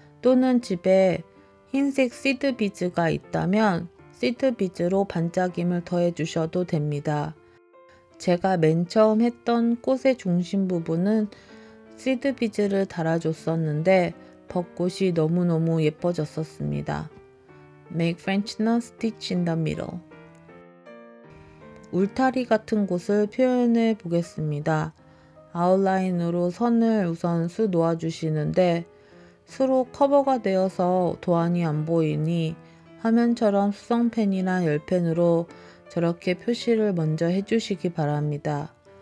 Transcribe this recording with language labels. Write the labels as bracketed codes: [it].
[ko] 또는 집에 흰색 시드 비즈가 있다면 시드 비즈로 반짝임을 더해주셔도 됩니다. 제가 맨 처음 했던 꽃의 중심 부분은 시드 비즈를 달아줬었는데 벚꽃이 너무너무 예뻐졌었습니다. [en] Make Frenchknot stitch in the middle. [ko] 울타리 같은 곳을 표현해 보겠습니다. 아웃라인으로 선을 우선 수 놓아주시는데 수로 커버가 되어서 도안이 안 보이니 화면처럼 수성펜이나 열펜으로 저렇게 표시를 먼저 해주시기 바랍니다.